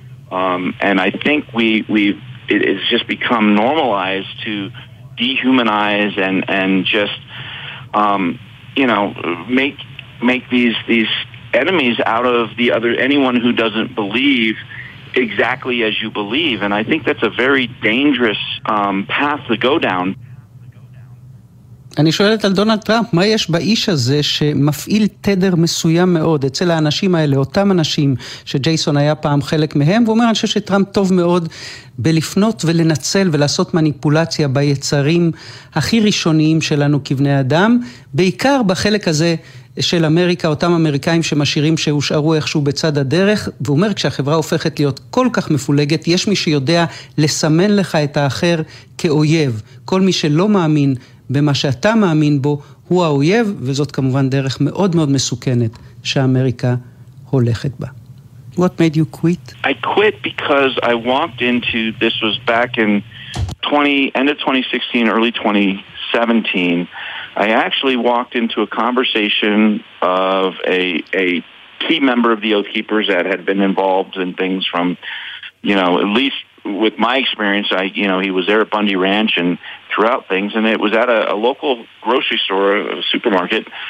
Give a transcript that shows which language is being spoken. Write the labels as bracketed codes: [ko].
[en] And I think it has just become normalized to dehumanize and just, you know, make these enemies out of the other, anyone who doesn't believe exactly as you believe. And I think that's a very dangerous path to go down. [he] אני שואלת על דונלד טראמפ, מה יש באיש הזה שמפעיל תדר מסוים מאוד אצל האנשים האלה, אותם אנשים שג'ייסון היה פעם חלק מהם, ואומר, אני חושב שטראמפ טוב מאוד בלפנות ולנצל ולעשות מניפולציה ביצרים הכי ראשוניים שלנו כבני אדם, בעיקר בחלק הזה של אמריקה, אותם אמריקאים שמשאירים שהושארו איכשהו בצד הדרך, והוא אומר, כשהחברה הופכת להיות כל כך מפולגת, יש מי שיודע לסמן לך את האחר כאויב, כל מי שלא מאמין במה שאתה מאמין בו הוא האויב, וזאת כמובן דרך מאוד מאוד מסוכנת שאמריקה הולכת בה. [en] What made you quit? I quit because I walked into, this was back in end of 2016, early 2017, I actually walked into a conversation of a key member of the Oath Keepers that had been involved in things from, you know, at least with my experience, you know, he was there at Bundy Ranch and throughout things, and it was at a local grocery store, a supermarket,